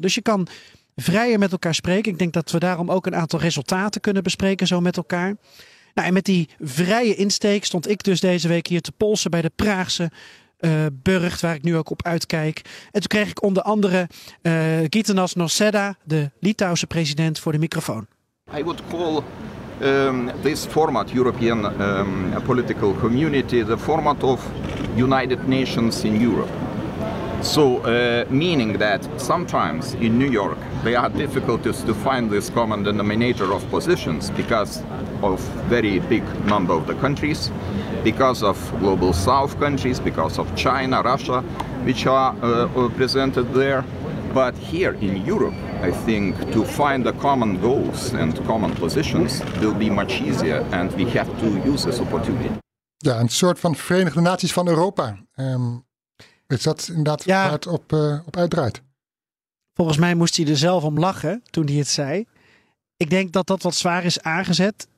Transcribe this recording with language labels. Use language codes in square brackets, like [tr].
[nl] Dus je kan vrijer met elkaar spreken. Ik denk dat we daarom ook een aantal resultaten kunnen bespreken zo met elkaar. Nou, en met die vrije insteek stond ik dus deze week hier te polsen bij de Praagse Burcht, waar ik nu ook op uitkijk. En toen kreeg ik onder andere Gitanas Nauseda, de Litouwse president, voor de microfoon. [en] I would call this format, European political community, the format of United Nations in Europe. So, meaning that sometimes in New York there are difficulties to find this common denominator of positions because of very big number of the countries, because of Global South countries, because of China, Russia, which are presented there. But here in Europe, I think to find the common goals and common positions will be much easier, and we have to use this opportunity. [nl] Ja, een soort van Verenigde Naties van Europa. Is dat inderdaad waar het op uitdraait? Volgens mij moest hij er zelf om lachen toen hij het zei. Ik denk dat dat wat zwaar is aangezet.